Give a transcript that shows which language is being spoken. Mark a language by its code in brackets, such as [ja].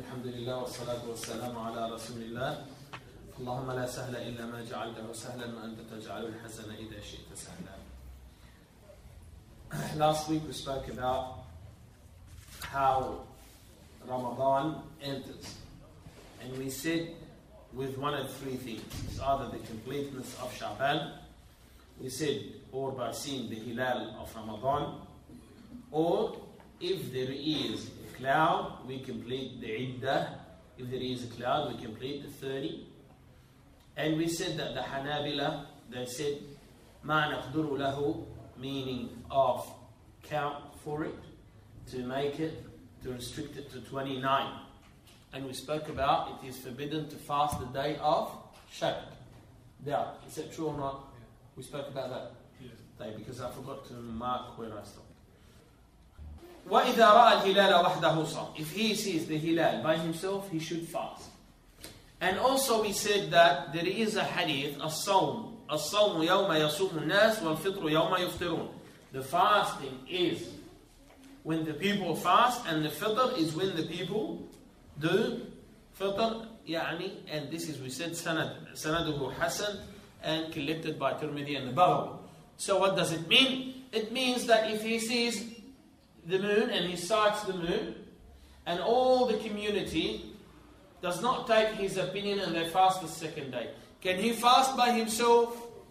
[ar] الحمد لله والصلاة والسلام على رسول الله. اللهم لا سهل إلا ما جعلته سهلا وأنت تجعل الحزن إذا شئت سهلا. [en] Last week we spoke about how Ramadan enters. And we said with one of three things. It's either the completeness of Sha'ban, we said, or by seeing the Hilal of Ramadan, or if there is a cloud, we complete the Iddah. If there is a cloud, we complete the 30. And we said that the Hanabila, they said, [ar] مَا نَقْدُرُ لَهُ, [en] meaning of count for it, to make it, to restrict it to 29. And we spoke about it is forbidden to fast the day of Shak. Doubt. Is that true or not? Yeah. We spoke about that day because I forgot to mark where I stopped. [ar] وَإِذَا رَأَ الْهِلَالَ وَحْدَهُ صَمْ. [en] If he sees the Hilal by himself, he should fast. And also we said that there is a hadith, الصوم. [ar] الصوم يوم يصوم الناس والفطر يوم يفطرون. [en] The fasting is when the people fast and the fitr is when the people do fitr. يعني, and this is, we said, [ar] سنده حسن [en] and collected by Tirmidhi and the Baghawi. So what does it mean? It means that if he sees the moon and he sights the moon and all the community does not take his opinion and they fast the second day, can he fast by himself?